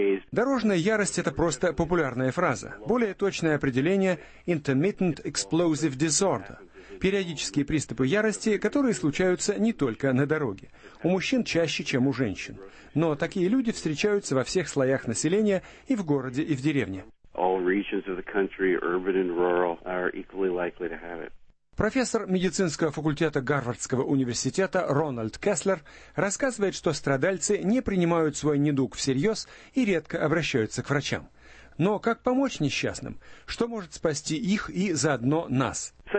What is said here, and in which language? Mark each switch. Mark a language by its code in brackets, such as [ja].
[ru] Дорожная ярость – это просто популярная фраза. Более точное определение – intermittent explosive disorder. Периодические приступы ярости, которые случаются не только на дороге. У мужчин чаще, чем у женщин. Но такие люди встречаются во всех слоях населения и в городе, и в деревне. [en] All regions of the country, urban and rural, are equally likely to have it. [ru] Профессор медицинского факультета Гарвардского университета Рональд Кеслер рассказывает, что страдальцы не принимают свой недуг всерьез и редко обращаются к врачам. Но как помочь несчастным? Что может спасти их и заодно нас?